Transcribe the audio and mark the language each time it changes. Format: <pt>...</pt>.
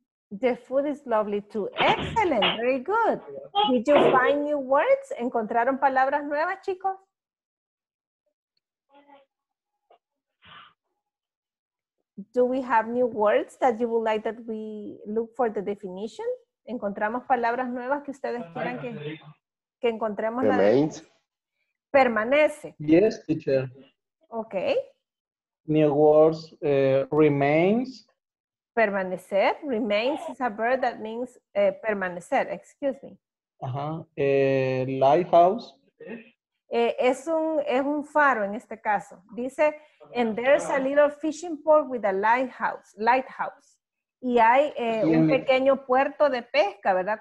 <en>The food is lovely too. Excellent, very good. Did you find new words?</en> <es>¿Encontraron palabras nuevas, chicos?</es> <en>Do we have new words that you would like that we look for the definition?</en> <es>¿Encontramos palabras nuevas que ustedes quieran que encontremos?</es> <en>Remains.</en> <es>Permanece.</es> <en>Yes, teacher. Okay. New words, remains. Permanecer. Remains is a verb that means permanecer. Excuse me. Uh-huh. Lighthouse.</en> <es>Es un faro en este caso.</es> <en>Dice, and there's a little fishing port with a lighthouse.</en> <es>Y hay un pequeño puerto de pesca, ¿verdad?</es>